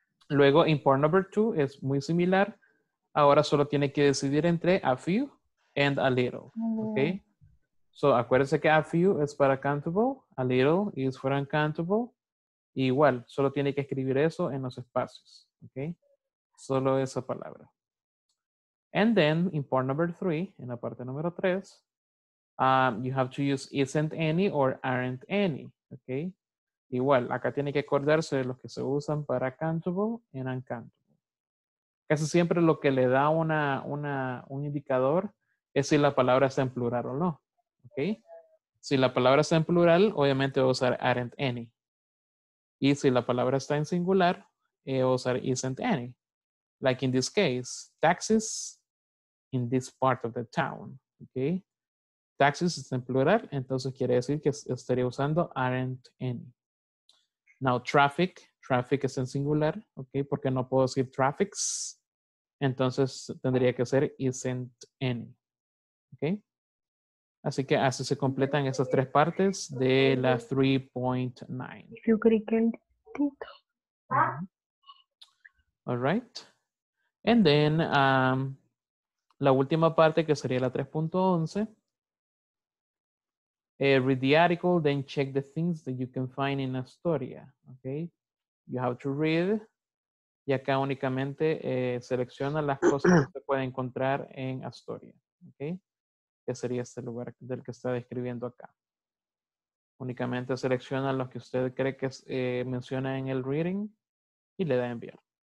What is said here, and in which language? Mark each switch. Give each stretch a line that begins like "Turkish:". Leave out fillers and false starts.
Spanish: Luego,
English: in part number two,
Spanish: es muy similar. Ahora solo tiene que decidir entre a few and a little. Okay. So, acuérdense que a few es para countable,
English: a little is for uncountable.
Spanish: Igual, solo tiene que escribir eso en los espacios, okay? Solo esa palabra.
English: And then, in part number three,
Spanish: en la parte número tres,
English: you have to use isn't any or aren't any, okay?
Spanish: Igual, acá tiene que acordarse de los que se usan para countable and uncountable. Casi siempre lo que le da un indicador es si la palabra está en plural o no. Okay. Si la palabra está en plural, obviamente voy a usar aren't any. Y si la palabra está en singular, voy a usar isn't any.
English: Like in this case, taxis in this part of the town. Okay.
Spanish: Taxis está en plural, entonces quiere decir que estaría usando aren't any. Now traffic, traffic es en singular, okay, porque no puedo decir traffics, entonces tendría que ser isn't any. Okay. Así que así se completan esas tres partes de la 3.9. Yo creí que el tito.
English: All right. And then,
Spanish: la última parte que sería la 3.11.
English: Read the article, then check the things that you can find in Astoria. Okay. You have to read.
Spanish: Y acá únicamente selecciona las cosas que se puede encontrar en Astoria. Okay. Que sería este lugar del que está describiendo acá. Únicamente selecciona los que usted cree que menciona en el reading y le da a enviar.